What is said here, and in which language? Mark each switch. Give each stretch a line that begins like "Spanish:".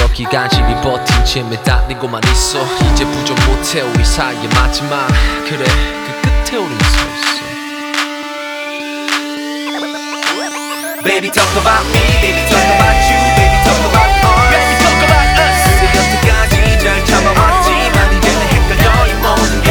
Korean: 간신히 버틴 채 매달리고만 있어. 이제 부정 못해 우리 사이의 마지막. 그래 그 끝에 우린 서 있어.
English: Baby talk about me, baby talk about you, baby talk about us, baby talk about us.
Korean: 그 여태까지 잘 참아왔지만 이제는 헷갈려 이 모든 게.